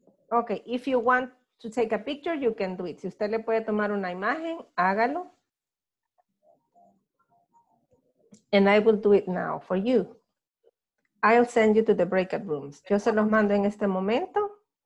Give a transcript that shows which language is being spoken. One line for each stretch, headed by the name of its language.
English: Okay, if you want to take a picture, you can do it.
Spanish: Si usted le puede tomar una imagen, hágalo.
English: And I will do it now for you. I'll send you to the breakout rooms.
Spanish: Yo se los mando en este momento.